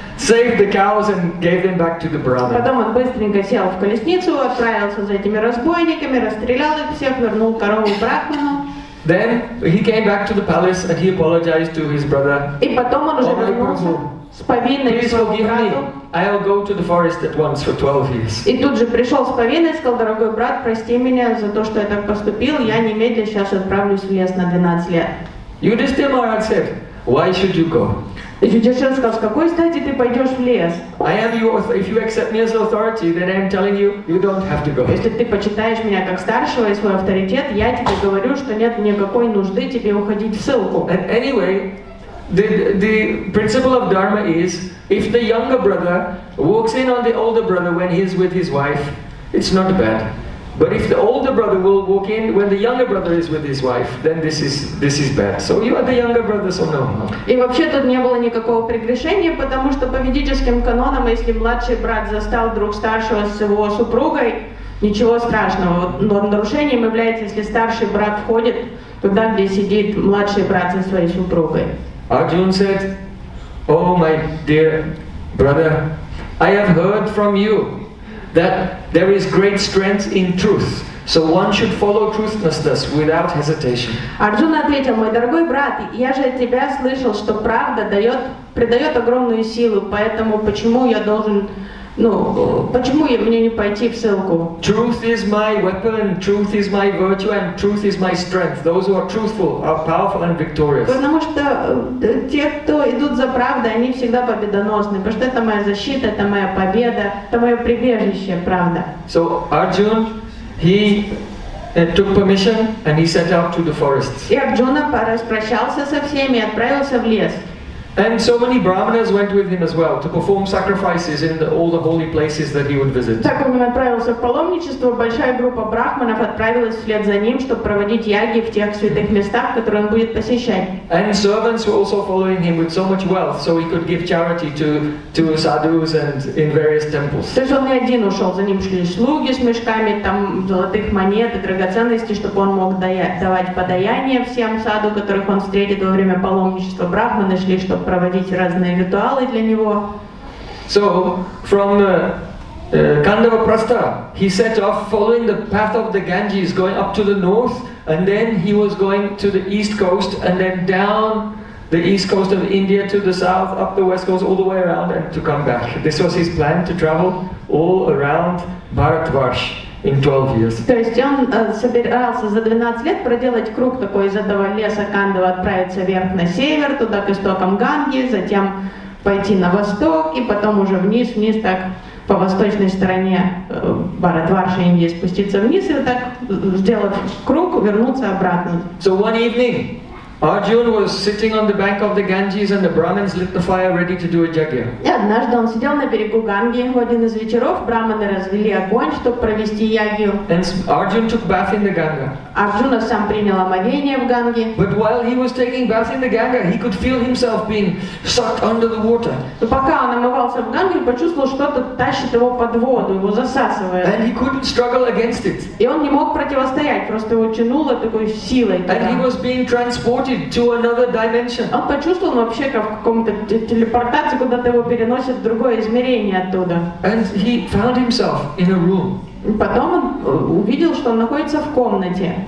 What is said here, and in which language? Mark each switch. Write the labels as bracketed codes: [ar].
[en] Saved the cows and gave them back to the brahmin. [ru] Потом он быстренько сел в колесницу, отправился за этими разбойниками, расстрелял их всех, вернул корову брахману. [en] Then he came back to the palace and he apologized to his brother. [ru] И потом он уже вернулся с повинной к своему брату. [en] I'll go to the forest at once for 12 years. [ru] И тут же пришел с повинной, сказал: дорогой брат, прости меня за то, что я так поступил, я немедленно сейчас отправлюсь в лес на 12 лет. [en] Yudhisthira Maharaj said, why should you go? [ru] И Юдхиштхир сказал: с какой стати ты пойдешь в лес? [en] I am your, if you accept me as authority, then I am telling you, you don't have to go. [ru] Если ты почитаешь меня как старшего и свой авторитет, я тебе говорю, что нет никакой нужды тебе уходить в ссылку. [en] And anyway, the principle of dharma is, if the younger brother walks in on the older brother when he is with his wife, it's not bad. But if the older brother will walk in when the younger brother is with his wife, then this is bad. So you are the younger brother, so no. [ru] И вообще тут не было никакого прегрешения, потому что по ведическим канонам, если младший брат застал друг старшего с его супругой, ничего страшного. Но нарушением является, если старший брат входит туда, где сидит младший брат со своей супругой. [en] Arjun said, "Oh my dear brother, I have heard from you that there is great strength in truth, so one should follow truthlessness without hesitation." [ru] Арджуна ответил: мой дорогой брат, я же от тебя слышал, что правда дает, придает огромную силу, поэтому почему я должен, ну, почему мне не пойти в ссылку? [en] Truth is my weapon, truth is my virtue, and truth is my strength. Those who are truthful are powerful and victorious. [ru] Потому что те, кто идут за правдой, они всегда победоносны. Потому что это моя защита, это моя победа, это мое прибежище, правда. [en] So Arjun, he took permission and he set out to the forest. [ru] И Арджуна распрощался со всеми и отправился в лес. [en] And so many brahmanas went with him as well to perform sacrifices in all the holy places that he would visit. [ru] Так он отправился в паломничество, большая группа брахманов отправилась вслед за ним, чтобы проводить яги в тех святых местах, которые он будет посещать. [en] And servants were also following him with so much wealth, so he could give charity to sadhus and in various temples. [ru] То есть он не один ушел, за ним шли слуги с мешками там золотых монет и драгоценностей, чтобы он мог давать подаяние всем саду, которых он встретит во время паломничества. Брахманы шли, чтобы проводить разные ритуалы для него. [en] So from Kandava Prastha, he set off following the path of the Ganges, going up to the north, and then he was going to the east coast, and then down the east coast of India to the south, up the west coast, all the way around, and to come back. This was his plan to travel all around Bharatvarsh. In 12 years. [ru] То есть он собирался за 12 лет проделать круг такой из этого леса Кандава, отправиться вверх на север, туда к истокам Ганги, затем пойти на восток и потом уже вниз так по восточной стороне Бхаратварши Индии спуститься вниз и так сделать круг, вернуться обратно. [en] So one evening, Arjun was sitting on the bank of the Ganges and the Brahmins lit the fire ready to do a yagya. [ru] И однажды он сидел на берегу Ганги, в один из вечеров брахманы развели огонь, чтобы провести ягью. [en] And Arjun took bath in the Ganga. [ru] Арджуна сам принял омовение в Ганге. [en] But while he was taking bath in the Ganga, he could feel himself being sucked under the water. [ru] Но пока он омывался в Ганге, почувствовал, что-то тащит его под воду, его засасывает. [en] And he couldn't struggle against it. [ru] И он не мог противостоять, просто его тянуло такой силой. [en] And he was being transported to another dimension. [ru] Он почувствовал вообще, как в каком-то телепортации, куда-то его переносят в другое измерение оттуда. [en] And he found himself in a room. [ru] Потом он увидел, что он находится в комнате.